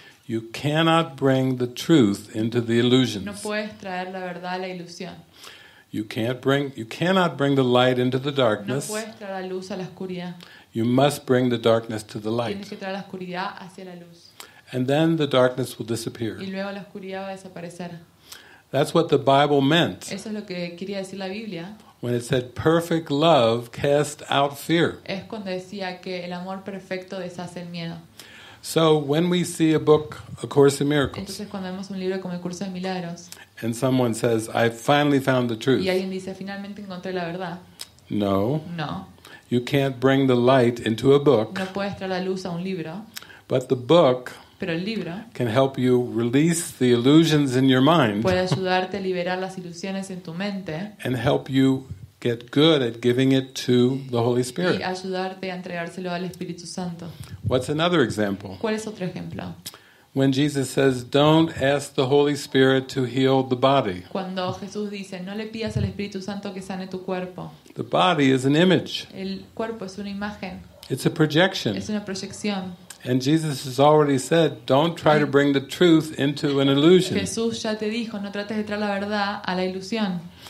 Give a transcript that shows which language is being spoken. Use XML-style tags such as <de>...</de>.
<en>You cannot bring the truth into the illusions.</en> <es>No puedes traer la verdad a la ilusión.</es> <en>You cannot bring the light into the darkness.</en> <es>No puedes traer la luz a la oscuridad.</es> <en>You must bring the darkness to the light.</en> <es>Tienes que traer la oscuridad hacia la luz.</es> <en>And then the darkness will disappear.</en> <es>Y luego la oscuridad va a desaparecer.</es> <en>That's what the Bible meant.</en> <es>Eso es lo que quería decir la Biblia.</es> <en>When it said perfect love cast out fear.</en> <es>Es cuando decía que el amor perfecto deshace el miedo.</es> <en>So when we see a book, A Course in Miracles.</en> <es>Entonces cuando vemos un libro como El Curso de Milagros.</es> <en>And someone says, "I finally found the truth."</en> <es>Y alguien dice, "Finalmente encontré la verdad."</es> <en>No.</en> <es>No.</es> <en>You can't bring the light into a book.</en> <es>No puedes traer la luz a un libro.</es> <en>But the book.</en> <es>Pero el libro</es> <en>can help you release the illusions in your mind.</en> <es>Puede ayudarte a liberar las ilusiones en tu mente.</es> <en>And help you get good at giving it to the Holy Spirit.</en> <es>Y ayudarte a entregárselo al Espíritu Santo.</es> <en>What's another example?</en> <es>¿Cuál es otro ejemplo?</es> <en>When Jesus says, "Don't ask the Holy Spirit to heal the body."</en> <es>Cuando Jesús dice, "No le pidas al Espíritu Santo que sane tu cuerpo."</es> <en>The body is an image.</en> <es>El cuerpo es una imagen.</es> <en>It's a projection.</en> <es>Es una proyección.</es> <en>And Jesus has already said, "Don't try to bring the truth into an illusion."</en> <es>Jesús ya te dijo, no trates de traer la verdad a la ilusión.</es>